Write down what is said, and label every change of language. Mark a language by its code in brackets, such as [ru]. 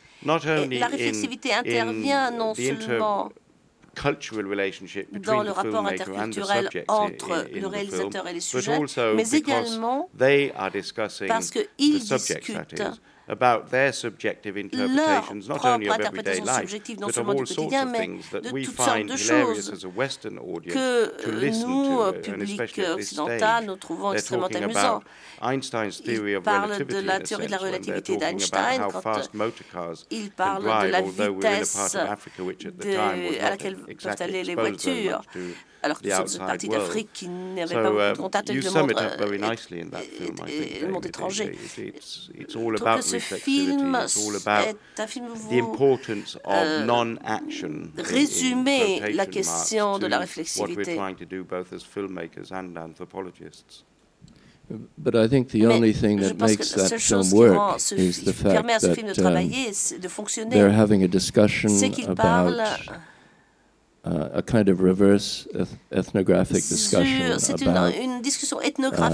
[en] not only in the intercultural relationship between the filmmaker and the subject in the film, but also because they are discussing the subject, that is, about their subjective interpretations, not only of everyday life, but of all sorts of things that we find hilarious as a Western audience to listen to, and especially at this stage, they're talking about Einstein's theory of relativity, in a sense, when they're talking about how fast motor cars can drive, although we're in a part of Africa which at the time was not exactly exposed very much to [fr] alors que c'est une partie d'Afrique qui n'avait pas beaucoup de contact avec le monde étranger. Donc ce film est un film où vous résumez la question de la réflexivité. [en] What we're trying to do both as filmmakers and anthropologists. But I think the only thing that makes that film work is the fact that they're having a discussion about a kind of reverse ethnographic discussion about